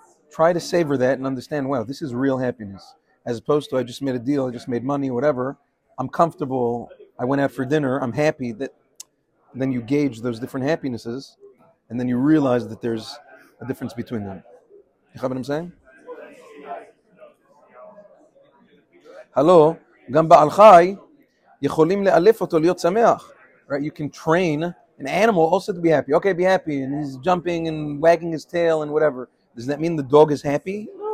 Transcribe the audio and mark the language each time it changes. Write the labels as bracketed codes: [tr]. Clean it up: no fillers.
[en] Try to savor that and understand, wow, this is real happiness. As opposed to, I just made a deal, I just made money, whatever. I'm comfortable, I went out for dinner, I'm happy. That then you gauge those different happinesses, and then you realize that there's a difference between them. You know what I'm saying? [he] Hello, גם בעל חי יכולים לאלף אותו להיות שמח. [en] Right, you can train an animal also to be happy. Okay, be happy, and he's jumping and wagging his tail and whatever. Does that mean the dog is happy?